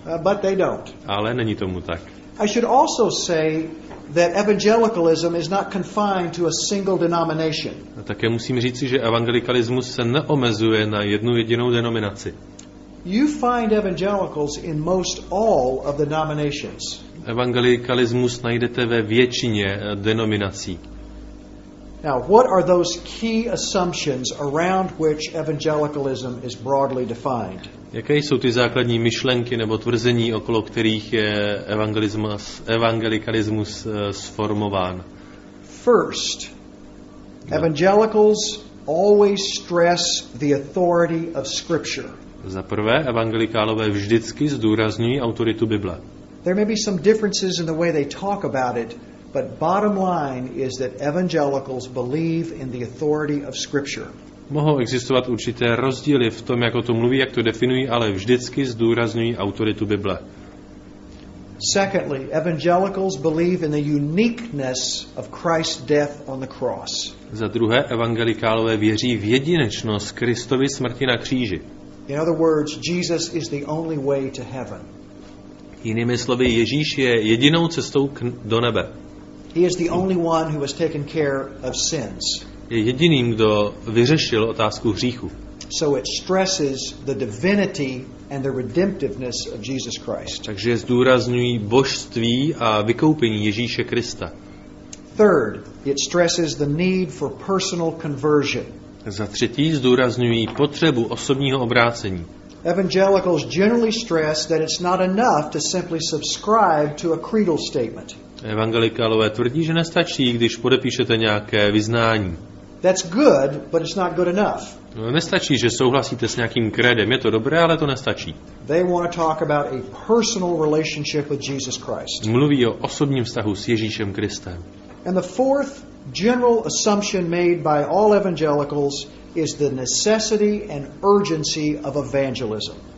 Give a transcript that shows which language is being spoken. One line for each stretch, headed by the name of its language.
English: But they don't.
Czech: Ale není tomu tak.
English: I should also say that evangelicalism is not confined to a single denomination.
Czech: A také musím říci, že evangelikalismus se neomezuje na jednu jedinou denominaci.
English: You find evangelicals in most all of the denominations.
Czech: Evangelikalismus najdete ve většině denominací.
English: Now, what are those key assumptions around which evangelicalism is broadly defined?
Czech: Jaké jsou ty základní myšlenky nebo tvrzení, okolo kterých je evangelikalismus sformován?
English: First, evangelicals always stress the authority of scripture.
Czech: Za prvé, evangelikálové vždycky zdůrazňují autoritu Bible.
English: There may be some differences in the way they talk about it, but bottom line is that evangelicals believe in the authority of scripture.
Czech: Mohou existovat určité rozdíly v tom, jak o tom mluví, jak to definují, ale vždycky zdůrazňují autoritu Bible.
English: Secondly, evangelicals believe in the uniqueness of Christ's death on the cross.
Czech: Za druhé, evangelikálové věří v jedinečnost Kristovy smrti na kříži.
English: In other words, Jesus is the only way to heaven.
Czech: Jinými slovy, Ježíš je jedinou cestou do nebe.
English: He is the only one who has taken care of sins.
Czech: Je jediným, kdo vyřešil otázku hříchu.
English: So it stresses the divinity and the redemptiveness of Jesus Christ.
Czech: Takže zdůrazňují božství a vykoupení Ježíše Krista.
English: Third, it stresses the need for personal conversion.
Czech: Za třetí zdůrazňují potřebu osobního obrácení.
English: Evangelicals generally stress that it's not enough to simply subscribe to a creedal statement.
Czech: Evangelikálové tvrdí, že nestačí, když podepíšete nějaké vyznání.
English: That's good, but it's not good enough.
Czech: Nestačí, že souhlasíte s nějakým kredem. Je to dobré, ale to nestačí.
English: They want to talk about a personal relationship with Jesus Christ.
Czech: Mluví o osobním vztahu s Ježíšem Kristem.
English: And the fourth general assumption made by all evangelicals is the necessity and urgency of evangelism.